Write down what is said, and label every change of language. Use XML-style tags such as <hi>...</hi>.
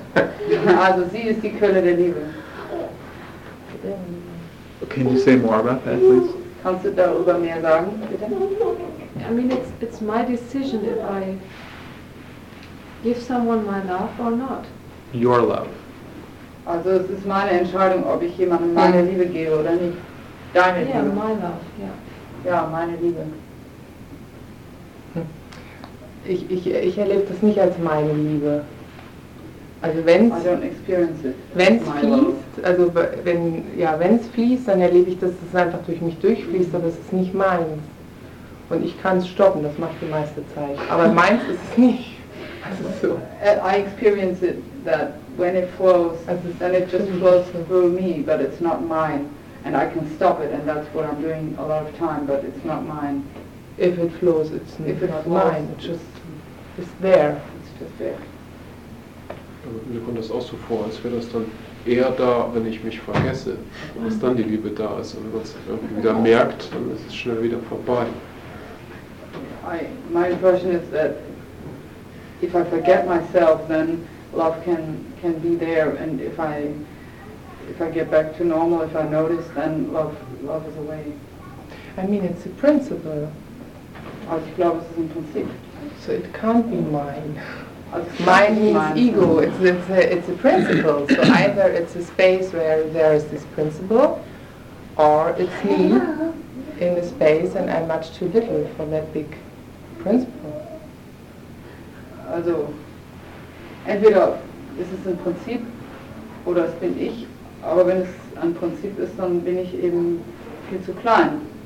<de>Also sie ist die Quelle der Liebe.</de> <en>Can you say more about that, please?</en> <de>Kannst du darüber mehr sagen, bitte?</de> <en>I mean, it's my decision if I give someone my love or not. Your love.</en> <de>Also es ist meine Entscheidung, ob ich jemandem meine Liebe gebe oder nicht. Deine Liebe.</de> <en>Yeah, my love, yeah.</en> <de>Ja, meine Liebe. Ich erlebe das nicht als meine Liebe. Also wenn es fließt, dann erlebe ich, dass es einfach durch mich durchfließt, aber es ist nicht meins. Und ich kann es stoppen, das mache ich die meiste Zeit. Aber meins ist es nicht. Also so.</de> <en>I experience it that when it flows, also then it just flows through me, but it's not mine. And I can stop it, and that's what I'm doing a lot of time, but it's not mine. If it flows, it's not if it not flows, mine, it's just it's there. It's just there.</en> <de>Mir kommt das auch so vor, als wäre das dann eher da, wenn ich mich vergesse, dass dann die Liebe da ist. Und wenn man es irgendwie wieder merkt, dann ist es schnell wieder vorbei.</de> <en>My impression is that if I forget myself, then love can be there, and if I get back to normal, if I notice, then love is away. I mean, it's a principle.</en> <de>Also ich glaube, es ist ein Prinzip.</de> <en>So it can't be mine.</en> <de>Also</de> <en>mine means ego. It's a principle. So either it's a space where there is this principle, or it's me in the space, and I'm much too little for that big principle.</en> <de>Also entweder ist es ein Prinzip, oder es bin ich. Aber wenn es ein Prinzip ist, dann bin ich eben viel zu klein.</de>